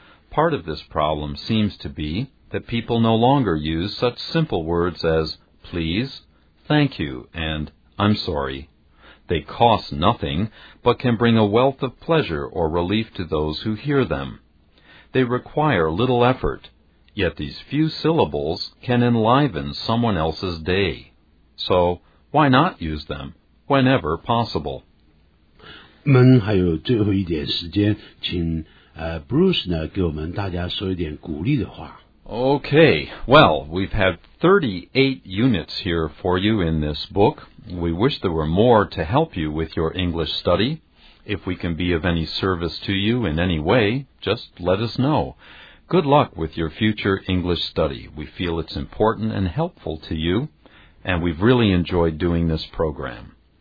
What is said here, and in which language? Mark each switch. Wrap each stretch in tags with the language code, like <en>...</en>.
<en>Part of this problem seems to be that people no longer use such simple words as "please," "thank you," and "I'm sorry." They cost nothing, but can bring a wealth of pleasure or relief to those who hear them. They require little effort, yet these few syllables can enliven someone else's day. So, why not use them whenever possible?</en> <zh>我们还有最后一点时间，请Bruce呢给我们大家说一点鼓励的话。</zh> <en>Okay, well, we've had 38 units here for you in this book. We wish there were more to help you with your English study. If we can be of any service to you in any way, just let us know. Good luck with your future English study. We feel it's important and helpful to you, and we've really enjoyed doing this program.</en>